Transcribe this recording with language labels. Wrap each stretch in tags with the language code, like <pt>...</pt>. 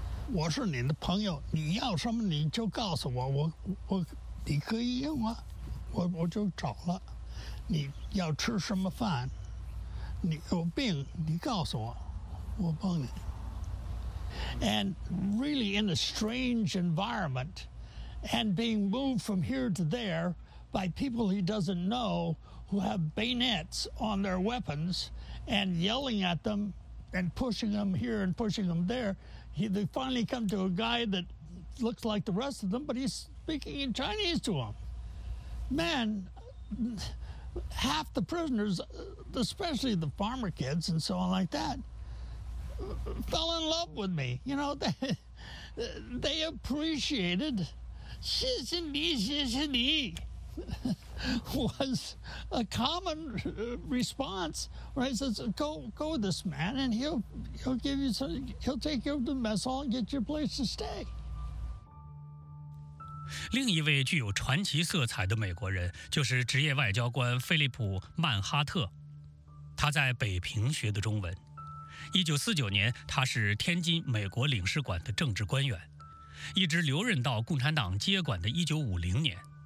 <zh>我是您的朋友，你要什么你就告诉我，我你可以用啊，我就找了。你要吃什么饭？你有病你告诉我，我帮你。</zh> <en>And really in a strange environment, and being moved from here to there by people he doesn't know who have bayonets on their weapons and yelling at them and pushing them here and pushing them there. They finally come to a guy that looks like the rest of them, but he's speaking in Chinese to him. Man, half the prisoners, especially the farmer kids and so on like that, fell in love with me. You know, they appreciated Shishini was a common response, right? Says, go with this man, and he'll give you some, he'll take you to the mess hall and get you a place to stay.</en> <zh>另一位具有传奇色彩的美国人就是职业外交官菲利普·曼哈特，他在北平学的中文。 1949年，他是天津美国领事馆的政治官员，一直留任到共产党接管的1950年。</zh>